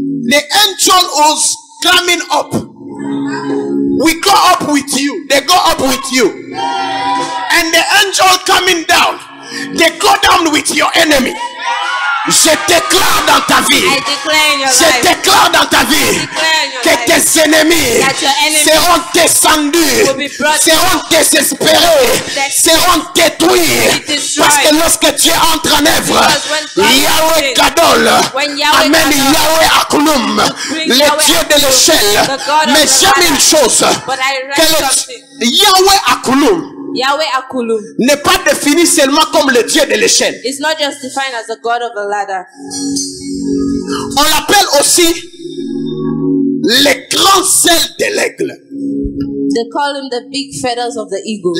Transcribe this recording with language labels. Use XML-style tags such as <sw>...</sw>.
<en>the angels who's climbing up, we go up with you, they go up with you, and the angel coming down, they go down with your enemy.</en> <fr>Je déclare dans ta vie. Je déclare dans ta vie que tes ennemis seront descendus, seront désespérés, seront détruits. Parce que lorsque tu entres en œuvre, Yahweh Gadol amène Yahweh Akloum, le Dieu de l'échelle. Mais j'aime une chose, que Yahweh Akloum Yahweh Akulu n'est pas défini seulement comme le Dieu de l'échelle.</fr> <en>It's not just defined as the God of the ladder.</en> <fr>On l'appelle aussi le grand sel de l'aigle.</fr> <en>They call him the big feathers of the eagle.</en>